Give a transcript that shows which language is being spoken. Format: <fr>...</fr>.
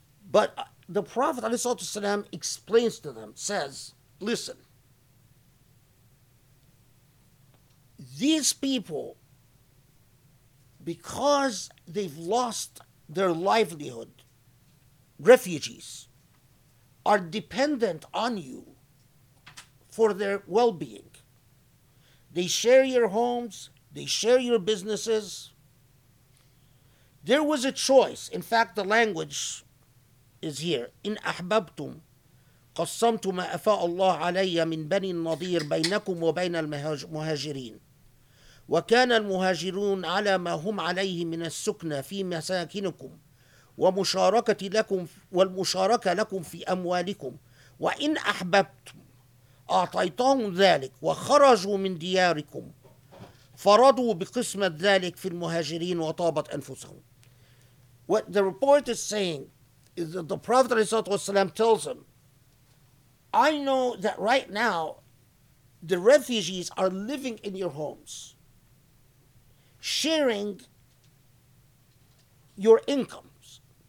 <en>But the Prophet ﷺ explains to them, says, listen, these people, because they've lost their livelihood, refugees, are dependent on you for their well-being. They share your homes, they share your businesses. There was a choice, in fact, the language is here.</en> <ar>In أحببتم قسمت ما أفاء الله علي من بني النضير بينكم وبين المهاجرين وكان المهاجرون على ما هم عليه من السكنة في مساكنكم ومشاركة لكم والمشاركة لكم في أموالكم وإن أحببتم أعطيتهم ذلك وخرجوا من دياركم فرضوا بقسمة ذلك في المهاجرين وطابت أنفسهم.</ar> <en>What the report is saying, the Prophet ﷺ tells him, I know that right now the refugees are living in your homes, sharing your incomes.</en>